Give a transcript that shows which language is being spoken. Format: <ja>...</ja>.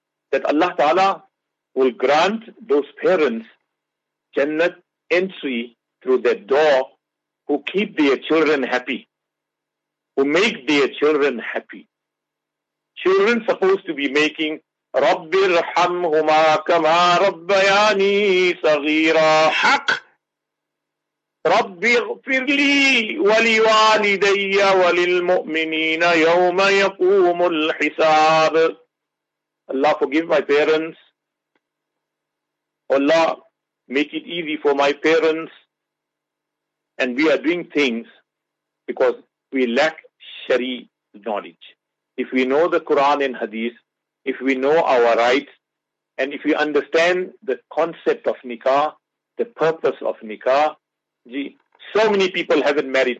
<en>That Allah Ta'ala will grant those parents Jannat entry through that door who keep their children happy, who make their children happy. Children supposed to be making</en> <ar>رب ارحمهما كما ربياني صغيرا. حق. رب اغفر لي ولوالدي وللمؤمنين يوم يقوم الحساب.</ar> <en>Allah, forgive my parents. Allah, make it easy for my parents. And we are doing things because we lack Shari knowledge. If we know the Quran and Hadith, if we know our rights, and if we understand the concept of nikah, the purpose of nikah, gee, so many people haven't married.</en>